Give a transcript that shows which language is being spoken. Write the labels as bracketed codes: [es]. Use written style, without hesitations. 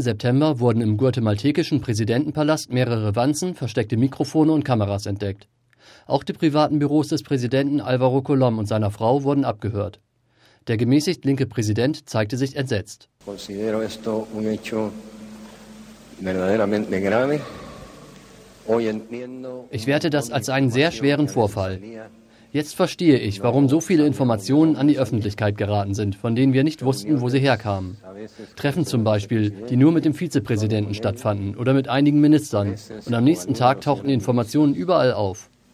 [de] September wurden im guatemaltekischen Präsidentenpalast mehrere Wanzen, versteckte Mikrofone und Kameras entdeckt. Auch die privaten Büros des Präsidenten Alvaro Colom und seiner Frau wurden abgehört. Der gemäßigt linke Präsident zeigte sich entsetzt. [es] Considero esto un hecho verdaderamente grave. [de] Ich werte das als einen sehr schweren Vorfall. Jetzt verstehe ich, warum so viele Informationen an die Öffentlichkeit geraten sind, von denen wir nicht wussten, wo sie herkamen. Treffen zum Beispiel, die nur mit dem Vizepräsidenten stattfanden oder mit einigen Ministern. Und am nächsten Tag tauchten die Informationen überall auf.